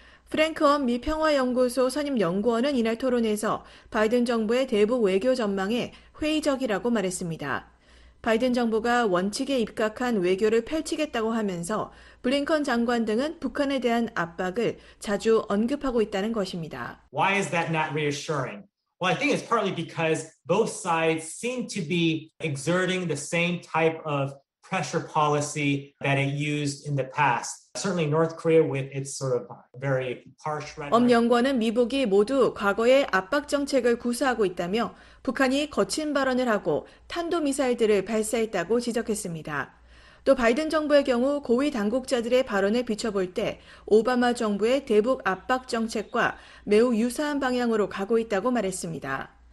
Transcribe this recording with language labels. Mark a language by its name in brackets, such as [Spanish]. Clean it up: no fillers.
[Korean] 프랭크 엄 미 평화연구소 선임 연구원은 이날 토론에서 바이든 정부의 대북 외교 전망에 회의적이라고 말했습니다. 바이든 정부가 원칙에 입각한 외교를 펼치겠다고 하면서 블링컨 장관 등은 북한에 대한 압박을 자주 언급하고 있다는 것입니다. [English] Why is that not reassuring? Well, I think it's partly because both sides seem to be exerting the same type of pressure policy that it used in the past. Certainly North Korea with its sort of very harsh rhetoric. [Korean] 엄 연구원은 미국이 모두 과거의 압박 정책을 구사하고 있다며 북한이 거친 발언을 하고 탄도미사일들을 발사했다고 지적했습니다. 또 바이든 정부의 경우 고위 당국자들의 발언을 비춰볼 때 오바마 정부의 대북 압박 정책과 매우 유사한 방향으로 가고 있다고 말했습니다.